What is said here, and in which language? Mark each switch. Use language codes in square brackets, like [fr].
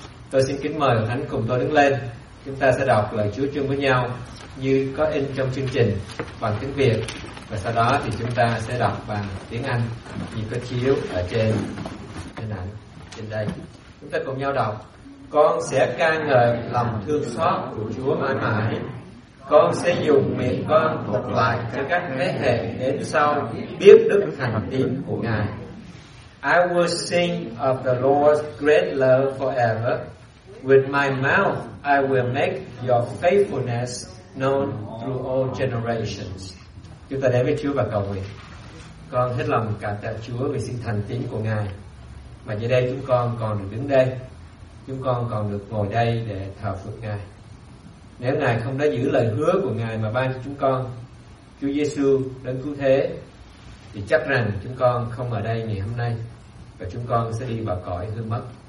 [vi] Tôi xin kính mời Thánh cùng tôi đứng lên, chúng ta sẽ đọc lời Chúa chung với nhau như có in trong chương trình bằng tiếng Việt, và sau đó thì chúng ta sẽ đọc bằng tiếng Anh như có chiếu ở trên hình ảnh trên đây. Chúng ta cùng nhau đọc: Con sẽ ca ngợi lòng thương xót của Chúa mãi mãi. Con sẽ dùng miệng con thuật lại cho các thế hệ đến sau biết đức thành tín của Ngài. [en] I will sing of the Lord's great love forever. With my mouth I will make your faithfulness known through all generations. [vi] Chúng ta đến với Chúa và cầu nguyện. Con hết lòng cảm tạ Chúa vì sự thành tín của Ngài. Mà giờ đây chúng con còn được đứng đây, chúng con còn được ngồi đây để thờ phượng Ngài. Nếu Ngài không đã giữ lời hứa của Ngài mà ban cho chúng con Chúa Giê-xu đến cứu thế, thì chắc rằng chúng con không ở đây ngày hôm nay, và chúng con sẽ đi vào cõi hư mất.